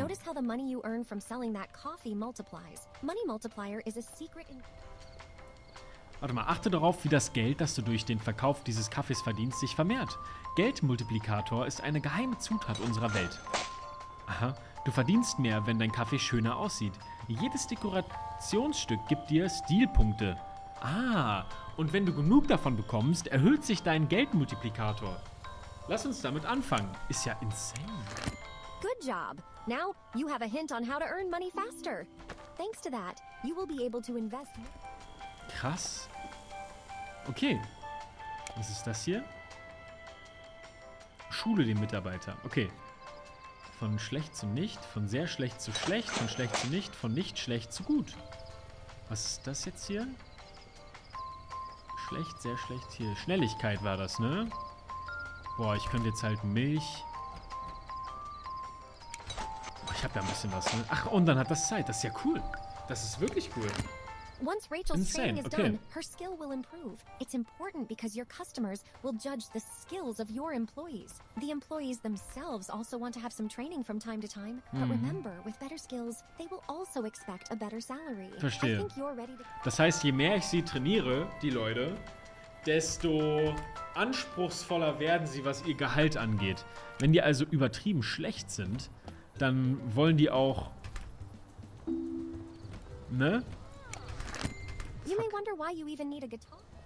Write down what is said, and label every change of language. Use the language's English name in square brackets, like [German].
[English] Notice how the money you earn from selling that coffee multiplies. Money multiplier is a secret in. [German] Warte mal, achte darauf, wie das Geld, das du durch den Verkauf dieses Kaffees verdienst, sich vermehrt. Geldmultiplikator ist eine geheime Zutat unserer Welt. Aha, du verdienst mehr, wenn dein Kaffee schöner aussieht. Jedes Dekorationsstück gibt dir Stilpunkte. Ah, und wenn du genug davon bekommst, erhöht sich dein Geldmultiplikator. Lass uns damit anfangen. Ist ja insane. [English] Good job. Now you have a hint on how to earn money faster. Thanks to that, you will be able to invest. [German] Krass. Okay. Was ist das hier? Schule den Mitarbeiter. Okay. Von schlecht zu nicht, von sehr schlecht zu nicht, von nicht schlecht zu gut. Was ist das jetzt hier? Schlecht, sehr schlecht hier. Schnelligkeit war das, ne? Boah, ich könnte jetzt halt Milch. Boah, ich habe ja ein bisschen was, ne? Ach, und dann hat das Zeit. Das ist ja cool. Das ist wirklich cool. [English] Once Rachel's training is done, her skill will improve. It's important because your customers will judge the skills of your employees. The employees themselves also want to have some training from time to time. But remember, with better skills, they will also expect a better salary. [German] Verstehe. [English] I think you're ready to. [German] Das heißt, je mehr ich sie trainiere, die Leute, desto anspruchsvoller werden sie, was ihr Gehalt angeht. Wenn die also übertrieben schlecht sind, dann wollen die auch. Ne? [English] You may wonder why you even need a guitar.